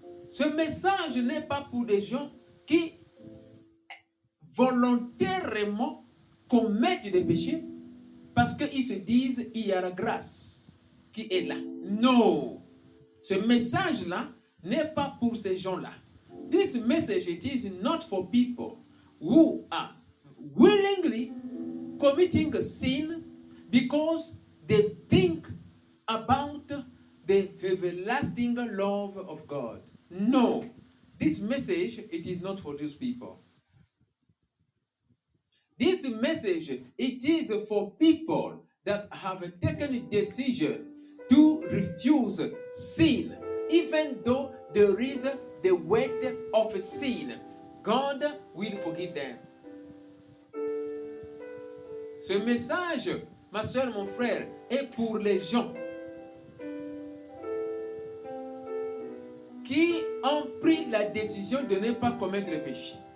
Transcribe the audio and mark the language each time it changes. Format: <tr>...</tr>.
<fr>Ce message n'est pas pour des gens qui volontairement commettent des péchés parce qu'ils se disent qu'il y a la grâce qui est là. Non, ce message-là n'est pas pour ces gens-là.</fr> <en>This message is not for people who are willingly committing a sin because they think about the everlasting love of God. No, this message, it is not for those people. This message, it is for people that have taken a decision to refuse sin, even though there is the weight of sin. God will forgive them.</en> <fr>Ce message, ma soeur, mon frère, est pour les gens qui ont pris la décision de ne pas commettre le péché.</fr>